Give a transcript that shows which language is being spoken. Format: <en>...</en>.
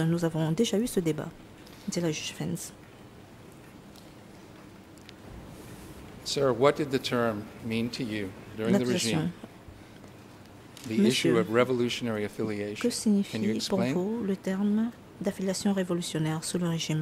<fr>Nous avons déjà eu ce débat, dit la juge Fentz.</fr> <en>Sir, what did the term mean to you during the regime? The issue of revolutionary affiliation.</en> <fr>Que signifie pour vous le terme d'affiliation révolutionnaire sous le régime?</fr>